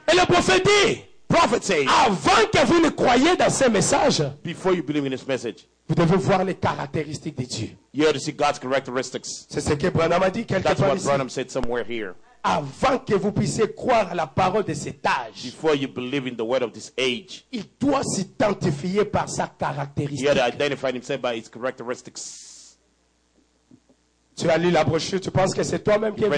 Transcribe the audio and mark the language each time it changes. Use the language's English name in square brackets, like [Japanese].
[French] Et le prophète dit, [English] prophet says, [French] avant que vous ne croyiez dans ce message, [English] before you believe in this message, [French] vous devez voir les caractéristiques de Dieu. [English] You have to see God's characteristics. [French] C'est ce que Branham a dit quelque part ici. [English] That's what Branham said somewhere here. [French] Avant que vous puissiez croire à la parole de cet âge, [English] before you believe in the word of this age, [French] il doit s'identifier par sa caractéristique. [English] You have to identify himself by his characteristics. [French] Tu as lu la brochure, tu penses que c'est toi-même qui es venu?